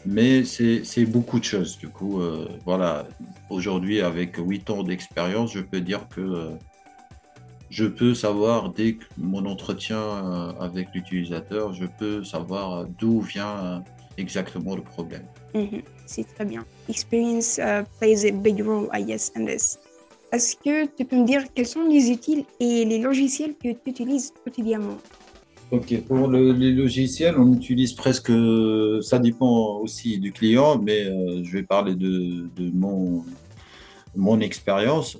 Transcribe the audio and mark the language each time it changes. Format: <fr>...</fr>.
<fr>mais c'est beaucoup de choses. Du coup, voilà, aujourd'hui avec 8 ans d'expérience, je peux dire que je peux savoir dès mon entretien avec l'utilisateur, je peux savoir d'où vient exactement le problème. C'est très bien.</fr> <en>Experience plays a big role, I guess, in this.</en> <fr>Est-ce que tu peux me dire quels sont les outils et les logiciels que tu utilises quotidiennement? Ok, pour les logiciels, on utilise presque, ça dépend aussi du client, mais je vais parler de mon expérience.</fr>